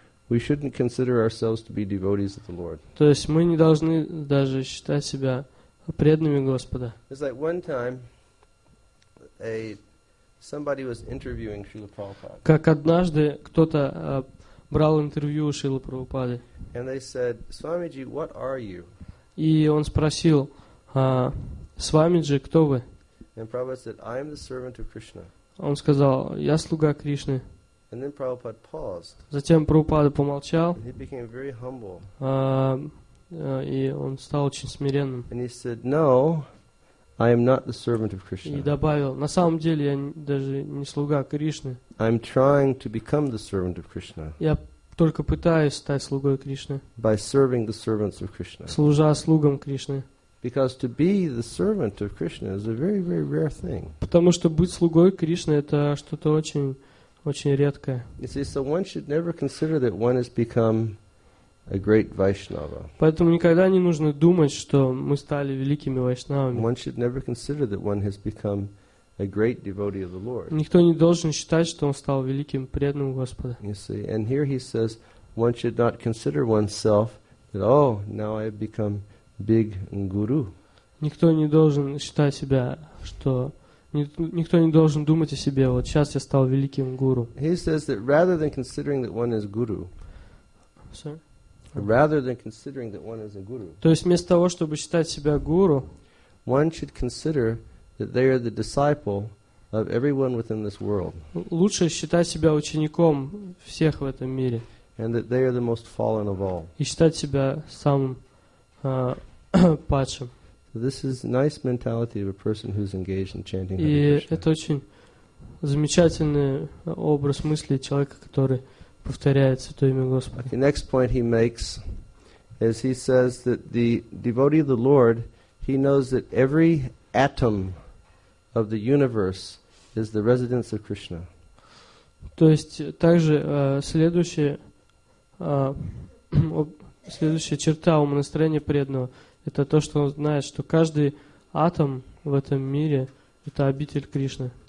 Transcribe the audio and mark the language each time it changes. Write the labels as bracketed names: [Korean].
[English] We shouldn't consider ourselves to be devotees of the Lord. [Russian] То есть мы не должны даже считать себя преданными Господа. [English] It's like one time somebody was interviewing Srila Prabhupada. [Russian] Как однажды кто-то брал интервью у Шрилы Прабхупады. [English] And they said, Swamiji, what are you? [Russian] И он спросил, Свамиджи, кто вы? [English] And Prabhupada said, I am the servant of Krishna. [Russian] Он сказал, я слуга Кришны. [English] And then Prabhupada paused. [Russian] Затем Прабхупада помолчал. [English] And he became very humble. [Russian] И он стал очень смиренным. [English] And he said, no, I am not the servant of Krishna. [Russian] И добавил, на самом деле я даже не слуга Кришны. [English] I'm trying to become the servant of Krishna. [Russian] Я только пытаюсь стать слугой Кришны. [English] By serving the servants of Krishna. [Russian] Служа слугам Кришны. [English] Because to be the servant of Krishna is a very, very rare thing. [Russian] Потому что быть слугой Кришны это что-то очень редкое. [English] You see, so one should never consider that one has become a great Vaishnava. [Russian] Поэтому никогда не нужно думать, что мы стали великими вайшнавами. [English] One should never consider that one has become a great devotee of the Lord. [Russian] Никто не должен считать, что он стал великим преданным Господа. [English] You see, and here he says, one should not consider oneself that, oh, now I have become big guru. [Russian] Никто не должен считать себя, что никто не должен думать о себе, вот сейчас я стал великим гуру. [English] He says that rather than considering that one is guru. Sir? Rather than considering that one is a guru. [Russian] То есть вместо того, чтобы считать себя гуру, [English] one should consider that they are the disciple of everyone within this world. [Russian] Лучше считать себя учеником всех в этом мире. [English] And that they are the most fallen of all. [Russian] И считать себя самым падшим. [English] So this is nice mentality of a person who's engaged in chanting. [Russian] И это очень замечательный образ мысли человека, который повторяет Святое имя Господа. [English] The next point he makes is he says that the devotee of the Lord, he knows that every atom of the universe is the residence of Krishna. [Russian] То есть также следующая черта умонастроения преданного это то, что он знает, что каждый атом в этом мире это обитель Кришны.